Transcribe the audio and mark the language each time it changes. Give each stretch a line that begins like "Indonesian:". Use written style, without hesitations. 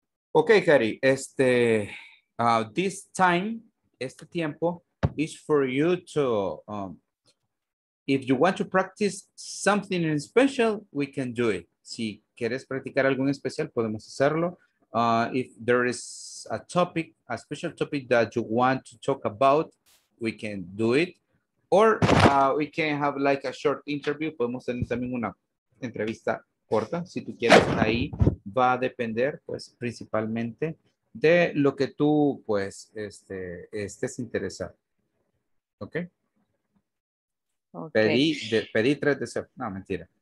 English: Okay, Harry,
Spanish: este tiempo
English: is for you to, if you want to practice something in special, we can do it.
Spanish: Si quieres practicar algo en especial, podemos hacerlo.
English: If there is a topic, a special topic that you want to talk about, we can do it. Or we can have like a short interview.
Spanish: Podemos tener también una entrevista corta, si tú quieres, ahí va a depender, pues, principalmente de lo que tú, pues, este, estés interesado. ¿Ok? Pedí, de, pedí tres deseos. No, mentira.